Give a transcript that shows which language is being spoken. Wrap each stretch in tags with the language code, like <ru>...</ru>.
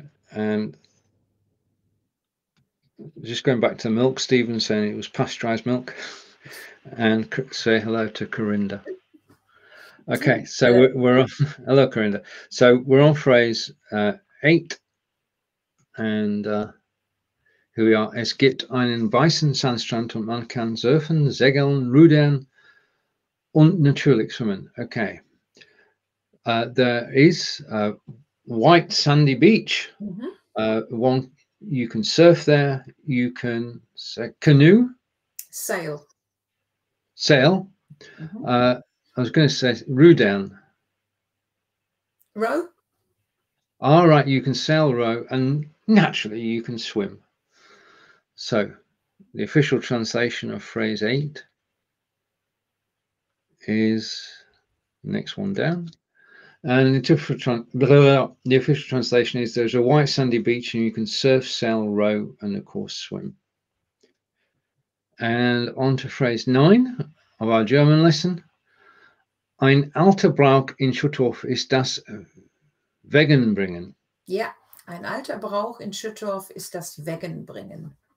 <en>And just going back to milk, Stephen saying it was pasteurized milk. And say hello to Corinda. Okay, so yeah. We're on. Hello, Corinda. So we're on phrase 8, and here we are.</en> <de>Es gibt einen Weißen Sandstrand und man kann surfen, segeln, rudern und natürlich schwimmen.</de> <en>Okay. There is a white sandy beach. Mm-hmm. You can surf there. You can canoe. Sail. Mm-hmm. I was going to say rudern. Row. All right, you can sail row, and naturally you can swim. So, the official translation of phrase 8 is next one down. And the official translation is there's a white sandy beach and you can surf, sail, row, and of course swim. And on to phrase 9 of our German lesson.</en> <de>Ein alter Brauch in Schüttorf ist das Wegenbringen.</de> <en>Yeah,</en> <de>ein alter Brauch in Schüttorf ist das Wegenbringen.</de>